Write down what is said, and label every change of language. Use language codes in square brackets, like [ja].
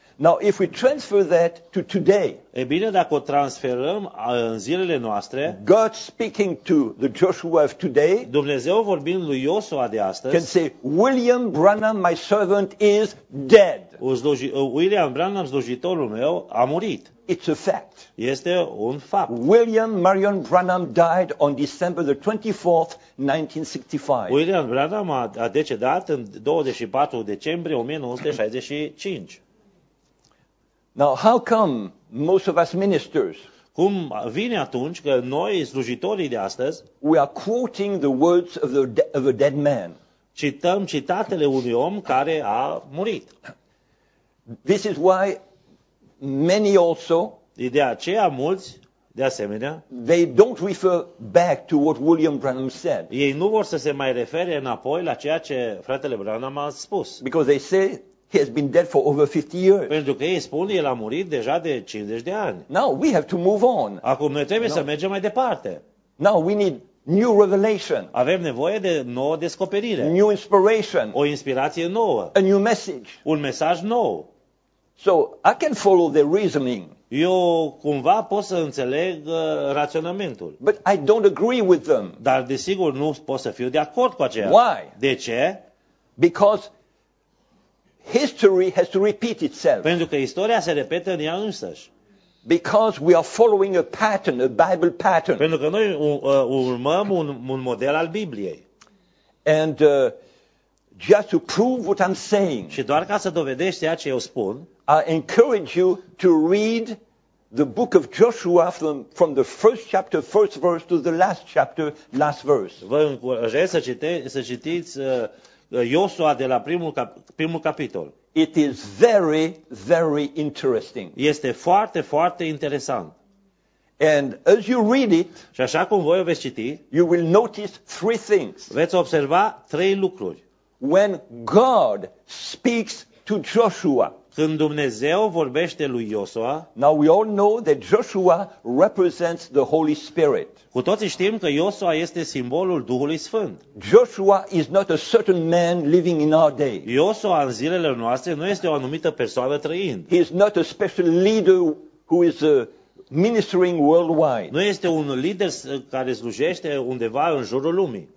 [en] Now if we transfer that to today. [ro] E bine, dacă o transferăm în zilele noastre. [en] God speaking to the Joshua of today. [ro] Dumnezeu vorbind lui Iosua de astăzi. [en] Can say William Branham my servant is dead. [ro] William Branham, slujitorul meu, a murit. [en] It's a fact. [ro] Este un fapt. [en] William Marion Branham died on December the 24th, 1965. [ro] William Branham a decedat în 24 decembrie 1965. [en] Now, how come most of us ministers? [ro] cum vine atunci că noi slujitorii de astăzi, [en] we are quoting the words of a dead man. [ro] Cităm citatele unui om care a murit. [en] This is why many also, [ro] de aceea mulți, de asemenea, [en] they don't refer back to what William Branham said. [ro] Ei nu vor să se mai refere înapoi la ceea ce fratele Branham a spus. [en] Because they say he has been dead for over 50 years. [ro] Pentru că ei spun, el a murit deja de 50 de ani. [en] Now we have to move on. [ro] Acum noi trebuie să mergem mai departe. [en] Now we need new revelation. [ro] Avem nevoie de nouă descoperire. [en] New inspiration. [ro] O inspirație nouă. [en] A new message. [ro] Un mesaj nou. [en] So I can follow the reasoning. [ro] Eu cumva pot să înțeleg raționamentul. [en] But I don't agree with them. [ro] Dar desigur nu pot să fiu de acord cu aceea. [en] Why? [ro] De ce? [en] Because history has to repeat itself. [ro] Pentru că istoria se repetă în ea însăși. [en] Because we are following a pattern, a Bible pattern. [ro] Pentru că noi urmăm un model al Bibliei. [en] And just to prove what I'm saying. [ro] Și doar ca să dovedești ceea ce eu spun. [en] I encourage you to read the book of Joshua from the first chapter, first verse to the last chapter, last verse. [ro] Vă încurajez să citiți Iosua de la primul capitol. [en] It is very, very interesting. [ro] Este foarte, foarte interesant. [en] And as you read it, [ro] și așa cum voi o veți citi, [en] you will notice three things. [ro] Veți observa trei lucruri. [en] When God speaks to Joshua, [ro] când Dumnezeu vorbește lui Iosua, [en] now we all know that Joshua represents the Holy Spirit. [ro] Cu toții știm că Iosua este simbolul Duhului Sfânt. [en] Joshua is not a certain man living in our day. [ro] Iosua în zilele noastre nu este o anumită persoană trăind. [en] He is not a special leader who is ministering worldwide. [ro] Nu este un lider care slujește undeva în jurul lumii.